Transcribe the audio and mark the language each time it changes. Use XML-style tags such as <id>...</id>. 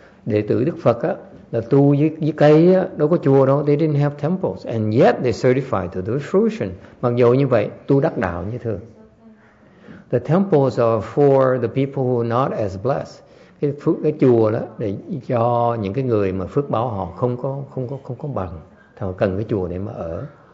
<vi>đệ tử Đức Phật á, là tu dưới cây á, đâu có chùa đâu,</vi> <en>they didn't have temples, and yet they certified to the fruition.</en> <vi>Mặc dù như vậy, tu đắc đạo như thường.</vi> <en>The temples are for the people who are not as blessed.</en> <vi>Cái chùa đó để cho những cái người mà phước báo họ không có bằng, họ cần cái chùa để mà ở.</vi>